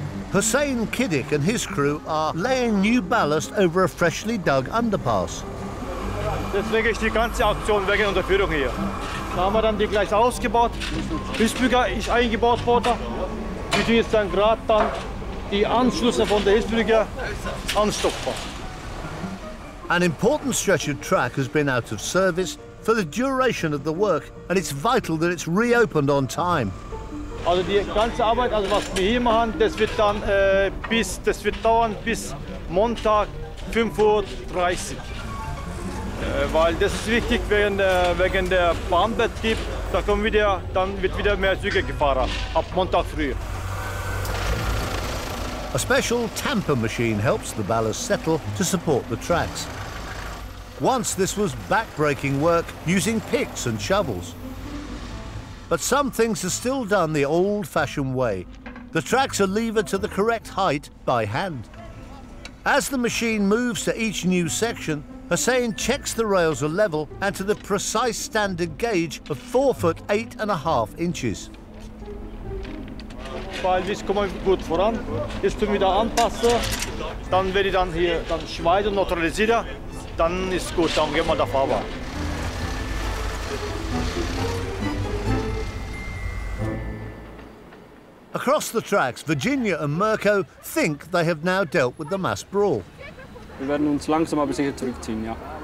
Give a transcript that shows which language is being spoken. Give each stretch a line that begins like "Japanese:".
English: Hussein Kiddick and his crew are laying new ballast over a freshly dug underpass.
German: Deswegen ist die ganze Aktion wegen unserer Führung hier. Da haben wir dann die Gleise ausgebaut. Hilfsbrücke ist eingebaut worden. Wir tun jetzt dann gerade dann die Anschlüsse von der Hilfsbrücke anstopfen.
English: An important stretch of track has been out of service for the duration of the work, and it's vital that it's reopened on time.
German: Also die ganze Arbeit, also was wir hier machen, das wird dann dauern bis Montag 5.30 Uhr. Weil das ist wichtig wegen der Bahnbetrieb. Da kommen wieder, dann wird wieder mehr Züge gefahren ab Montag früh.
English: A special tamper machine helps the ballast settle to support the tracks. Once this was backbreaking work using picks and shovels. But some things are still done the old-fashioned way. The tracks are levered to the correct height by hand. As the machine moves to each new section, Hussein checks the rails are level and to the precise standard gauge of 4 foot 8.5 inches.
German: Weil wir kommen gut voran, jetzt tun wir da anpassen, dann werde ich dann hier dann schweißen und neutralisieren, dann ist gut, dann gehen wir da fahrbar.
English: Across the tracks, Virginia and Mirko think they have now dealt with the mass brawl.
German: Wir werden uns langsam aber sicher zurückziehen, ja.